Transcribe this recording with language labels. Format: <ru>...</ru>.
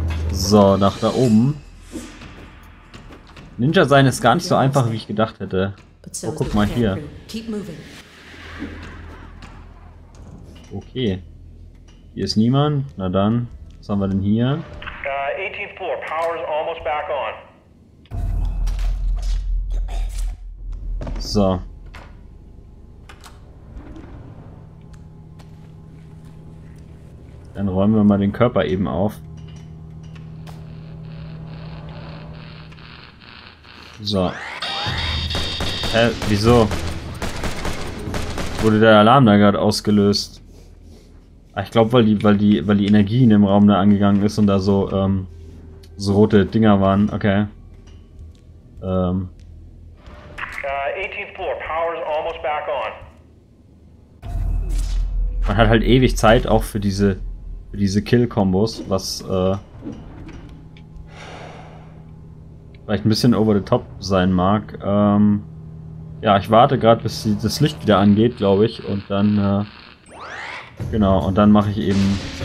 <de>So, nach da oben. Ninja sein ist gar nicht so einfach, wie ich gedacht hätte. Oh, guck mal hier. Okay. Hier ist niemand. Na dann, was haben wir denn hier?</de> <en>18th floor, power is almost back on. So.</en> <de>Dann räumen wir mal den Körper eben auf. So. Hä, wieso? Wurde der Alarm da gerade ausgelöst? Ich glaube, weil die Energie in dem Raum da angegangen ist und da so, so rote Dinger waren. Okay.</de> <en>18th floor, power is almost back on.</en> <de>Man hat halt ewig Zeit auch für diese. Kill-Kombos, was vielleicht ein bisschen</de> <en>over the top</en> <de>sein mag. Ja, ich warte gerade, bis das Licht wieder angeht, glaube ich, und dann genau, und dann mache ich eben.</de>